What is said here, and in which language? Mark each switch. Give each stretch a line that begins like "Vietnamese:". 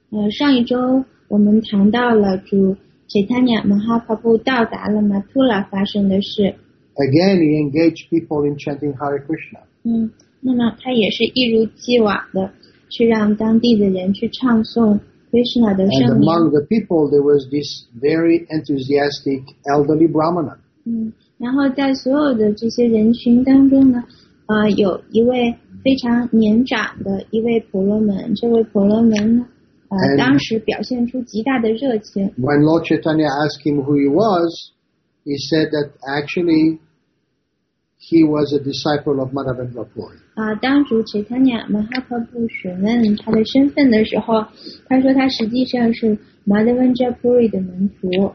Chinese: 上一周我们谈到了主 Chaitanya Mahaprabhu 到达了 Mathura 发生的事。
English: Again, he engaged people in chanting Hare Krishna.
Chinese: 那么他也是一如既往的去让当地的人去唱诵 Krishna 的声音。
English: And among the people, there was this very enthusiastic elderly Brahmana.
Chinese: 然后在所有的这些人群当中呢，有一位非常年长的一位婆罗门。这位婆罗门呢，当时表现出极大的热情。
English: When Lord Chaitanya asked him who he was,He said that actually he was a disciple of Madhavendra Puri.
Chinese: 当主 Chaitanya Mahaprabhu 询问他的身份的时候，他说他实际上是 Madhavendra Puri 的门徒。